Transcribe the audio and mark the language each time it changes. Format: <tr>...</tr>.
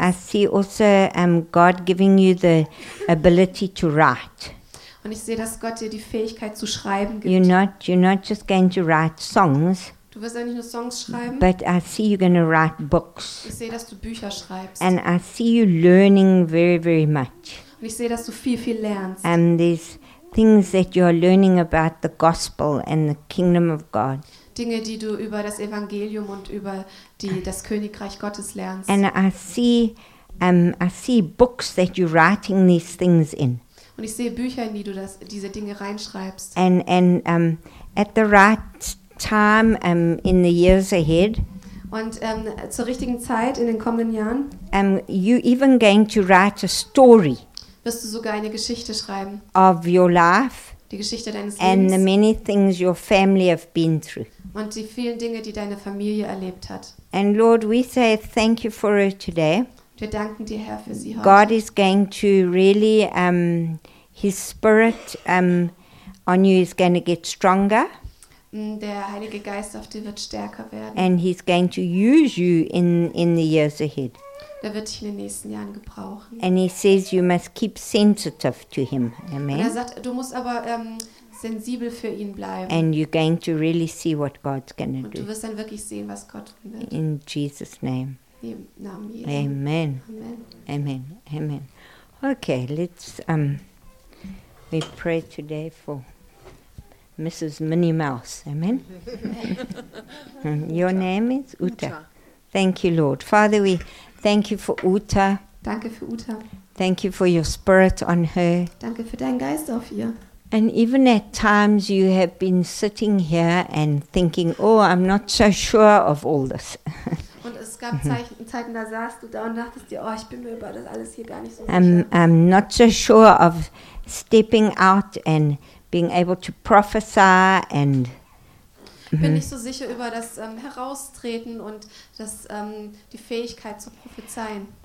<en>I see also God giving you the ability to write.</en> <de>Und ich sehe, dass Gott dir die Fähigkeit zu schreiben gibt.</de> <en>You're not just going to write songs.</en> <de>Du wirst ja nicht nur Songs schreiben.</de> <en>But I see you're going to write books.</en> <de>Ich sehe, dass du Bücher schreibst.</de> <en>And I see you learning very, very much.</en> <de>Und ich sehe, dass du viel, viel lernst.</de> <en>And these things that you're learning about the gospel and the kingdom of God.</en> <de>Dinge, die du über das Evangelium und über das Königreich Gottes lernst.</de> <en>And I see books that you're writing these things in.</en> <de>Und ich sehe Bücher, in die du diese Dinge reinschreibst.</de> <en>And at the right time in the years ahead.</en> <de>Und zur richtigen Zeit in den kommenden Jahren.</de> <en>You even going to write a story.</en> <de>Wirst du sogar eine Geschichte schreiben?</de> <en>Of your life.</en> <de>Die Geschichte deines and Lebens.</de> <en>And the many things your family have been through.</en> <de>Und die vielen Dinge, die deine Familie erlebt hat.</de> <en>And Lord, we say thank you for her today.</en> <de>Wir danken dir, Herr, für sie heute.</de> <en>God is going to really his spirit on you is going to get stronger.</en> <de>Der Heilige Geist auf dir wird stärker werden.</de> <en>And he's going to use you in the years ahead.</en> <de>Der wird dich in den nächsten Jahren gebrauchen.</de> <en>And he says you must keep sensitive to him. Amen.</en> <de>Und er sagt, du musst aber sensibel für ihn bleiben.</de> <en>And you're going to really see what God's going to do.</en> <de>Und du wirst dann wirklich sehen, was Gott will.</de> <en>In Jesus' name. Amen.</en> <de>Amen.</de> <en>Amen. Amen. Okay, let's we pray today for Mrs. Minnie Mouse. Amen. Your name is Uta. Thank you, Lord. Father, we thank you for Uta.</en> <de>Danke für Uta.</de> <en>Thank you for your spirit on her.</en> <de>Danke für deinen Geist auf ihr.</de> <en>And even at times you have been sitting here and thinking, oh, I'm not so sure of all this.</en> <de>Und es gab Zeiten, da saßt du da und dachtest dir, oh, ich bin mir über das alles hier gar nicht so sicher.</de> <en>I'm not so sure of stepping out and being able to prophesy and</en> <de>bin nicht so sicher über das Heraustreten und das die Fähigkeit zu prophezeien.</de>